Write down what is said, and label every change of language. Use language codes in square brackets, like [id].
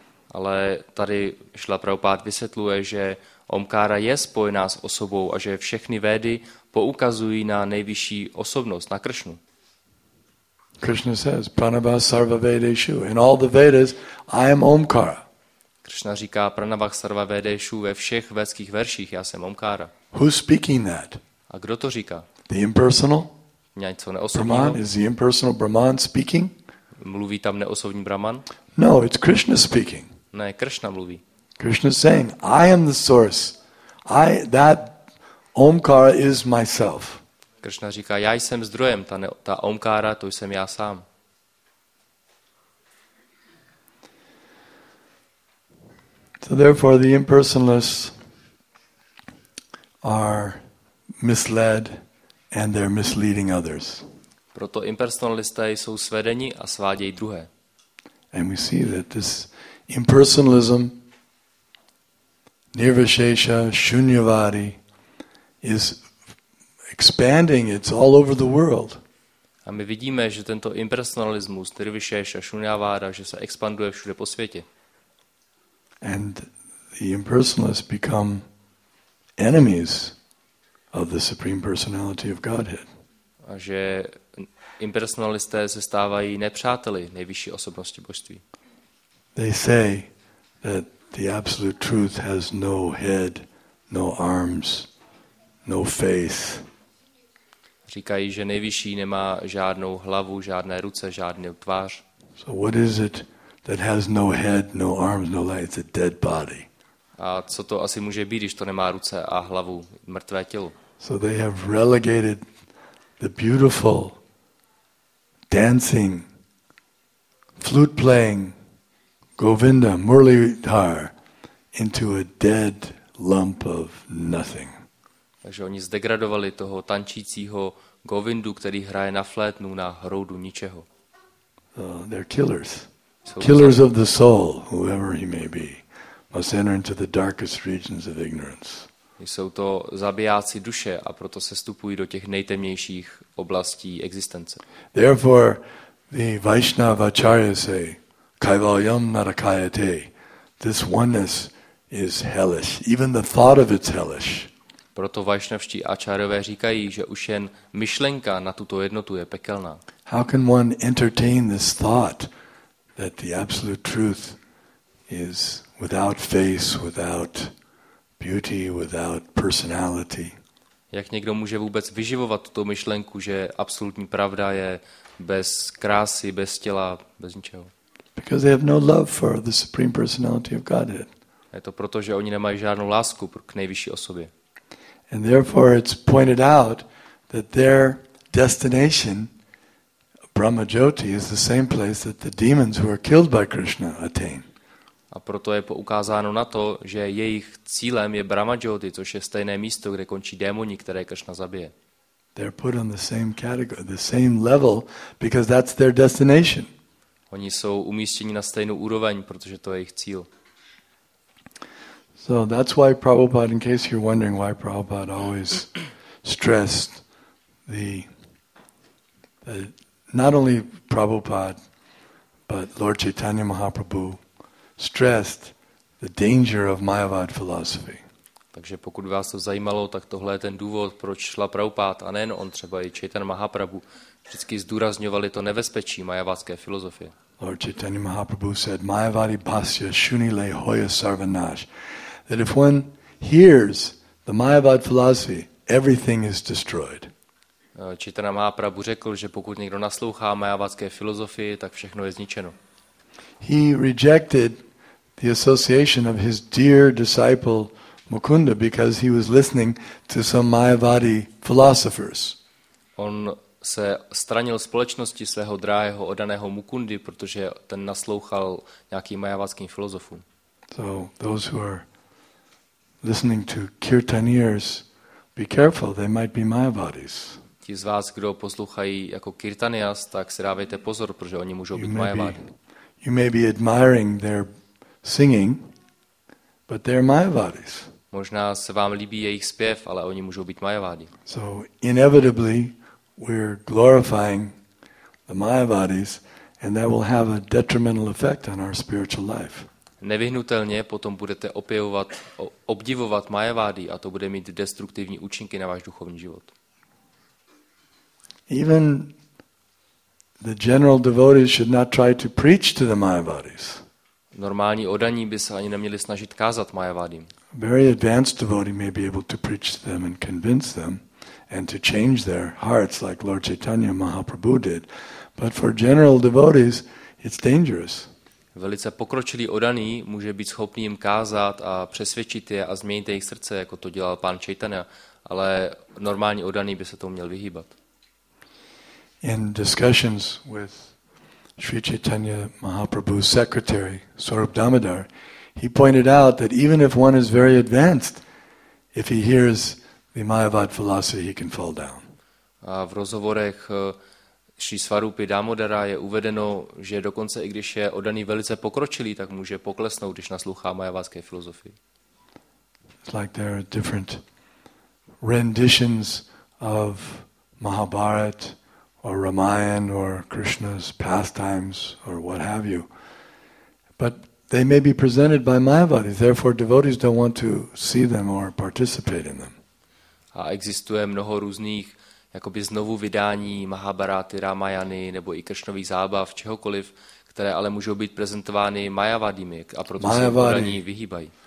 [cs] Ale tady Šrila Prabhupada vysvětluje, že Omkara je spojená s osobou a že všechny Védy poukazují na nejvyšší osobnost, na Krishnu. [en] Krishna says, [sa] Pranava Sarva Vedeshu, [en] in all the Vedas, I am Omkara. [cs] Krishna říká [sa] Pranavah Sarva Vedeshu [cs] ve všech védských verších, já jsem Omkára. [en] Who's speaking that? [cs] A kdo to říká? [en] The impersonal? [cs] Něco neosobního? [en] Brahman, is the impersonal Brahman speaking? [cs] Mluví tam neosobní Brahman? [en] No, it's Krishna speaking. [cs] Ne, Krishna mluví. [en] Krishna saying, I am the source. That Omkara is myself. [cs] Krishna říká, já jsem zdrojem, ta Omkára, to jsem já sám. [en] So therefore the impersonalists are misled and they're misleading others. [cs] Proto impersonalisté jsou svedeni a svádějí druhé. [en] And we see that this impersonalism, nirvishesha, shunyavadi, is expanding. It's all over the world. [cs] A my vidíme, že tento impersonalismus, nirvishesha, shunyavada, že se expanduje všude po světě. [en] And the impersonalists become enemies of the Supreme Personality of Godhead. [cs] A že impersonalisté se stávají nepřáteli nejvyšší osobnosti božství. [en] They say that the absolute truth has no head, no arms, no face. [cs] Říkají, že nejvyšší nemá žádnou hlavu, žádné ruce, žádnou tvář. [en] So what is it that has no head, no arms, no legs? It's a dead body. [cs] A co to asi může být, když to nemá ruce a hlavu, mrtvé tělo? [en] So they have relegated the beautiful dancing, flute playing Govinda, Muralidhar into a dead lump of nothing. [cs] Takže oni zdegradovali toho tančícího Govindu, který hraje na flétnu, na hroudu ničeho. [en] They're killers. Killers of the soul, whoever he may be, must enter into the darkest regions of ignorance. [cs] Jsou to zabijáci duše a proto se stupují do těch nejtemnějších oblastí existence. [en] Therefore the Vaishnava acharyas say [sa] kaivalyam narakayate. [en] This oneness is hellish, even the thought of it's hellish. [cs] Proto vaishnavští acharyové říkají, že už jen myšlenka na tuto jednotu je pekelná. [en] How can one entertain this thought that the absolute truth is without face, without beauty, without personality? [cs] Jak někdo může vůbec vyživovat tuto myšlenku, že absolutní pravda je bez krásy, bez těla, bez ničeho? [en] Because they have no love for the Supreme Personality of Godhead. [cs] Je to proto, že oni nemají žádnou lásku k nejvyšší osobě. [en] And therefore it's pointed out that their destination, Brahma Jyoti, is the same place that the demons who are killed by Krishna attain. [cs] A proto je poukázáno na to, že jejich cílem je Brahma Jyoti, což je stejné místo, kde končí démoni, které Krishna zabije. [en] They're put on the same category, the same level, because that's their destination. [cs] Oni jsou umístěni na stejnou úroveň, protože to je jejich cíl. [en] So that's why Prabhupada, in case you're wondering why Prabhupada always stressed the not only Prabhupada, but Lord Chaitanya Mahaprabhu stressed the danger of Mayavad philosophy. [cs] Takže pokud vás to zajímalo, tak tohle je ten důvod, proč šla Prabhupád a nejen on, třeba i Chaitanya Mahaprabhu, vždycky zdůrazňovali to nebezpečí mayavadské filozofie. [en] Lord Chaitanya Mahaprabhu said, [bn] Mayavadi bhasya shunile hoya sarvanash. [en] That if one hears the Mayavad philosophy, everything is destroyed. [cs] Chaitanya Mahaprabhu řekl, že pokud někdo naslouchá mayavadské filozofii, tak všechno je zničeno. [en] He rejected the association of his dear disciple Mukunda because he was listening to some Mayavadi philosophers. [cs] On se stranil společnosti svého drahého odaného Mukundy, protože ten naslouchal nějakým mayavadským filozofům. [en] So those who are listening to kirtaniers, be careful, they might be Mayavadis. [cs] Ti z vás, kdo poslouchají jako kirtanias, tak si dávejte pozor, protože oni můžou být Mayavadi. [en] You may be admiring their singing, but they're Mayavadis. [cs] Možná se vám líbí jejich zpěv, ale oni můžou být Mayavadi. [en] So inevitably we're glorifying the Mayavadis and that will have a detrimental effect on our spiritual life. [cs] Nevyhnutelně potom budete opěvovat, obdivovat Mayavadi a to bude mít destruktivní účinky na váš duchovní život. [en] Even the general devotees should not try to preach to the Mayavadis. [cs] Normální odaní by se ani neměli snažit kázat Mayavadim. [en] Very advanced devotee may be able to preach to them and convince them and to change their hearts like Lord Chaitanya Mahaprabhu did. But for general devotees, it's dangerous. [cs] Velice pokročilý odaný může být schopný jim kázat a přesvědčit je a změnit jejich srdce, jako to dělal pán Chaitanya, ale normální odaný by se tomu měl vyhýbat. [en] In discussions with Sri Chaitanya Mahaprabhu's secretary, Saurabh Damodar, He pointed out that even if one is very advanced, if he hears the Mayavad philosophy, he can fall down. [cs] A v rozhovorech Šri Svarupy Dámodara je uvedeno, že dokonce i když je oddaný velice pokročilý, tak může poklesnout, když naslouchá majavátské filozofii. [en] It's like there are different renditions of Mahabharat or Ramayana or Krishna's pastimes or what have you. But they may be presented by Mayavadis, therefore devotees don't want to see them or participate in them. [cs] A existuje mnoho různých jakoby znovu vydání Mahabharaty, Ramayany nebo i Kršnových zábav, čehokoliv, které ale můžou být prezentovány Mayavadimi a proto Mayavadi, se podání vyhýbají.